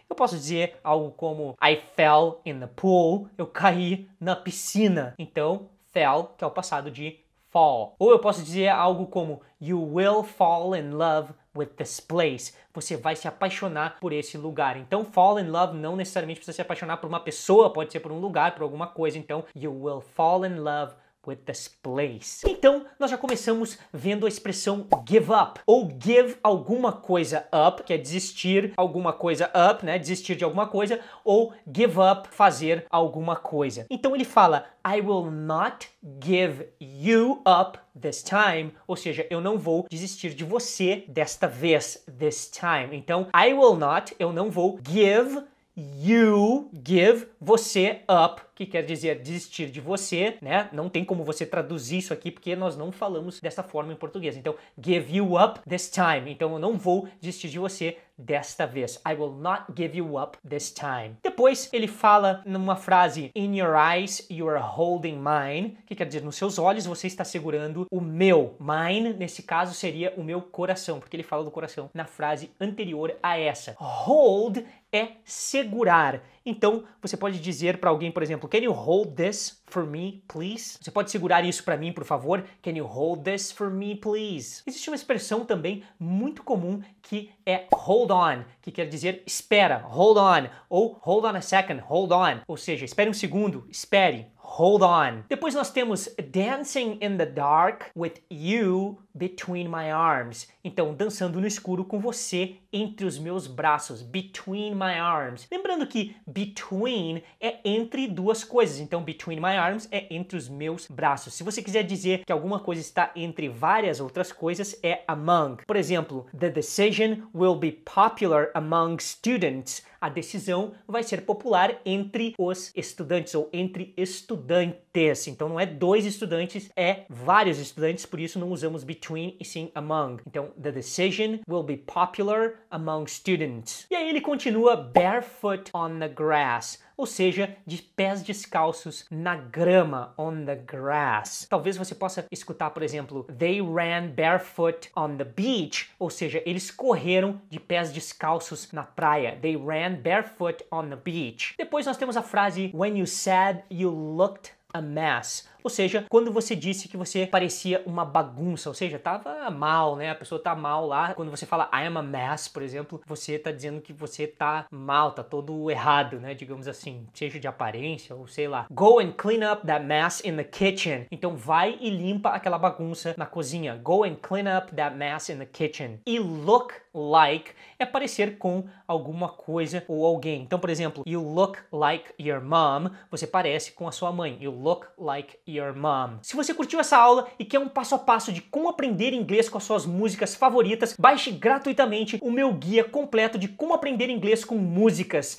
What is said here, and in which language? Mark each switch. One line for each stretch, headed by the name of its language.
Portuguese: Eu posso dizer algo como
English: I fell in the pool,
Portuguese: eu caí na piscina. Então, fell, que é o passado de fall. Ou eu posso dizer algo como
English: you will fall in love with this place.
Portuguese: Você vai se apaixonar por esse lugar. Então, fall in love não necessariamente precisa se apaixonar por uma pessoa, pode ser por um lugar, por alguma coisa.
English: Então, you will fall in love with this place.
Portuguese: Então, nós já começamos vendo a expressão give up, ou give alguma coisa up, que é desistir alguma coisa up, né, desistir de alguma coisa, ou give up, fazer alguma coisa. Então ele fala,
English: I will not give you up this time,
Portuguese: ou seja, eu não vou desistir de você desta vez, this time. Então, I will not, eu não vou give you, give, você up, que quer dizer desistir de você, né? Não tem como você traduzir isso aqui porque nós não falamos dessa forma em português. Então,
English: give you up this time.
Portuguese: Então, eu não vou desistir de você desta vez.
English: I will not give you up this time.
Portuguese: Depois, ele fala numa frase,
English: in your eyes, you are holding mine,
Portuguese: que quer dizer, nos seus olhos, você está segurando o meu. Mine, nesse caso, seria o meu coração, porque ele fala do coração na frase anterior a essa. Hold é segurar. Então, você pode dizer para alguém, por exemplo,
English: can you hold this for me, please?
Portuguese: Você pode segurar isso para mim, por favor?
English: Can you hold this for me, please?
Portuguese: Existe uma expressão também muito comum que é hold on, que quer dizer espera, hold on, ou
English: hold on a second,
Portuguese: hold on. Ou seja, espere um segundo, espere, hold on. Depois nós temos
English: dancing in the dark with you between my arms.
Portuguese: Então, dançando no escuro com você entre os meus braços.
English: Between my arms.
Portuguese: Lembrando que between é entre duas coisas. Então, between my arms é entre os meus braços. Se você quiser dizer que alguma coisa está entre várias outras coisas, é among.
English: Por exemplo, the decision will be popular among students.
Portuguese: A decisão vai ser popular entre os estudantes ou entre estudantes. Então, não é dois estudantes, é vários estudantes. Por isso, não usamos between e sim among.
English: Então, the decision will be popular among students.
Portuguese: E aí, ele continua
English: barefoot on the grass.
Portuguese: Ou seja, de pés descalços na grama,
English: on the grass.
Portuguese: Talvez você possa escutar, por exemplo,
English: they ran barefoot on the beach.
Portuguese: Ou seja, eles correram de pés descalços na praia.
English: They ran barefoot on the beach.
Portuguese: Depois nós temos a frase,
English: when you said you looked a mess.
Portuguese: Ou seja, quando você disse que você parecia uma bagunça, ou seja, tava mal, né? A pessoa tá mal lá. Quando você fala
English: I am a mess,
Portuguese: por exemplo, você tá dizendo que você tá mal, tá todo errado, né? Digamos assim, seja de aparência ou sei lá.
English: Go and clean up that mess in the kitchen.
Portuguese: Então vai e limpa aquela bagunça na cozinha.
English: Go and clean up that mess in the kitchen.
Portuguese: E look like é parecer com alguma coisa ou alguém. Então, por exemplo,
English: you look like your mom.
Portuguese: Você parece com a sua mãe.
English: You look like your mom.
Portuguese: Se você curtiu essa aula e quer um passo a passo de como aprender inglês com as suas músicas favoritas, baixe gratuitamente o meu guia completo de como aprender inglês com músicas.